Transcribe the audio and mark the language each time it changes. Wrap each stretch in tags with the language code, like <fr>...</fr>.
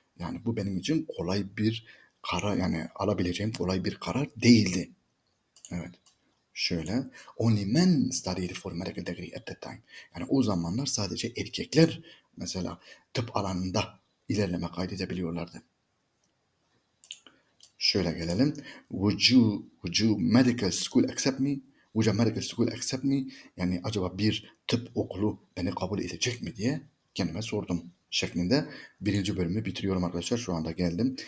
<tr>Yani bu benim için kolay bir karar, yani alabileceğim kolay bir karar değildi. Evet. Şöyle,</tr> <en>only men studied for medical degree at that time.</en> <tr>Yani o zamanlar sadece erkekler mesela tıp alanında ilerleme kaydedebiliyorlardı. Şöyle gelelim.</tr> <en>Would you medical school accept me? Would a medical school accept me?</en> <tr>Yani acaba bir tıp okulu beni kabul edecek mi diye kendime sordum şeklinde birinci bölümü bitiriyorum arkadaşlar. Şu anda geldim.</tr>